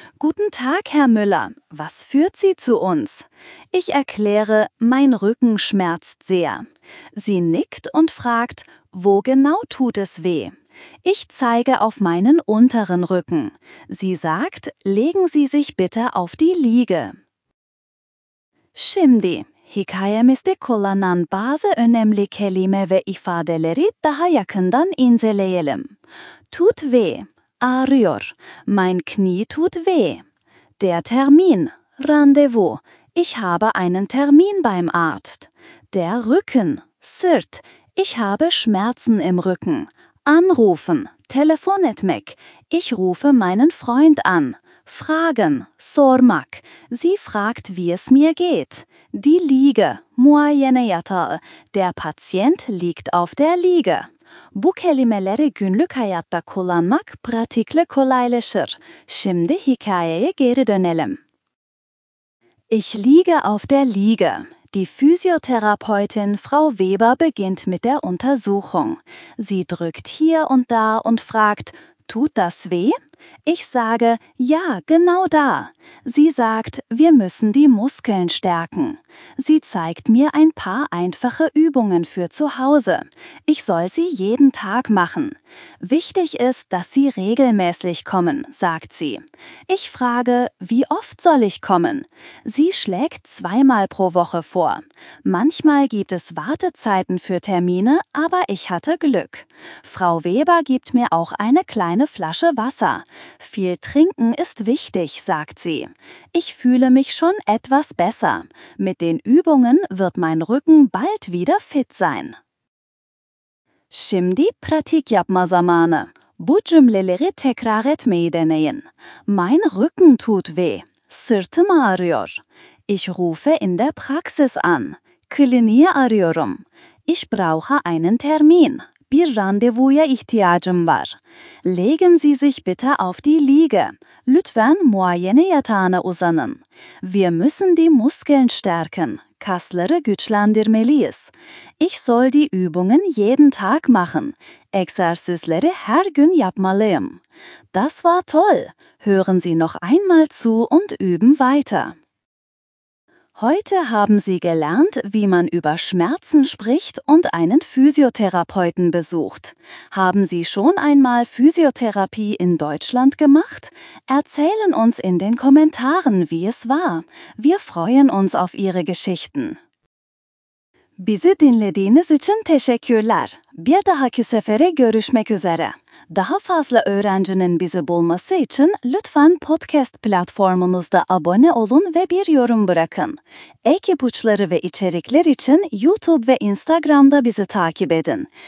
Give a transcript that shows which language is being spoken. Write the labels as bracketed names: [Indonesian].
[German] Guten Tag, Herr Müller. Was führt Sie zu uns? Ich erkläre, mein Rücken schmerzt sehr. Sie nickt und fragt, wo genau tut es weh? Ich zeige auf meinen unteren Rücken. Sie sagt, legen Sie sich bitte auf die Liege. [Turkish] Shimdi, hikayemizde kullanılan bazı önemli kelime ve ifadeleri daha yakından inceleyelim. [German] Tut weh. [Turkish] Ağrıyor. [German] Mein Knie tut weh. Der Termin. Rendezvous. Ich habe einen Termin beim Arzt. Der Rücken. [Turkish] Sırt. [German] Ich habe Schmerzen im Rücken. Anrufen. [Turkish] Telefon etmek. [German] Ich rufe meinen Freund an. Fragen. [Turkish] Sormak. [German] Sie fragt, wie es mir geht. Die Liege. [Turkish] Muayene yatağı. [German] Der Patient liegt auf der Liege. [Turkish] Bu kelimeleri günlük hayatta kullanmak pratikle kolaylaşır. Şimdi hikayeye geri dönelim. [German] Ich liege auf der Liege. Die Physiotherapeutin Frau Weber beginnt mit der Untersuchung. Sie drückt hier und da und fragt, tut das weh? Ich sage, ja, genau da. Sie sagt, wir müssen die Muskeln stärken. Sie zeigt mir ein paar einfache Übungen für zu Hause. Ich soll sie jeden Tag machen. Wichtig ist, dass sie regelmäßig kommen, sagt sie. Ich frage, wie oft soll ich kommen? Sie schlägt zweimal pro Woche vor. Manchmal gibt es Wartezeiten für Termine, aber ich hatte Glück. Frau Weber gibt mir auch eine kleine Flasche Wasser. Viel trinken ist wichtig, sagt sie. Ich fühle mich schon etwas besser. Mit den Übungen wird mein Rücken bald wieder fit sein. [Turkish] Şimdi pratik yapma zamanı. Bu cümleleri tekrar etmeyi deneyin. [German] Mein Rücken tut weh. [Turkish] Sırtım ağrıyor. [German] Ich rufe in der Praxis an. [Turkish] Kliniğe arıyorum. [German] Ich brauche einen Termin. [Turkish] Bir randevuya ihtiyacım var. [German] Legen Sie sich bitte auf die Liege. [Turkish] Lütfen muayene yatağına uzanın. [German] Wir müssen die Muskeln stärken. [Turkish] Kasları güçlendirmeliyiz. [German] Ich soll die Übungen jeden Tag machen. [Turkish] Egzersizleri her gün yapmalıyım. [German] Das war toll. Hören Sie noch einmal zu und üben weiter. Heute haben Sie gelernt, wie man über Schmerzen spricht und einen Physiotherapeuten besucht. Haben Sie schon einmal Physiotherapie in Deutschland gemacht? Erzählen uns in den Kommentaren, wie es war. Wir freuen uns auf Ihre Geschichten. [Turkish] Bizi dinlediğiniz için teşekkürler. Bir dahaki sefere görüşmek üzere. Daha fazla öğrencinin bizi bulması için lütfen podcast platformunuzda abone olun ve bir yorum bırakın. Ek ipuçları ve içerikler için YouTube ve Instagram'da bizi takip edin.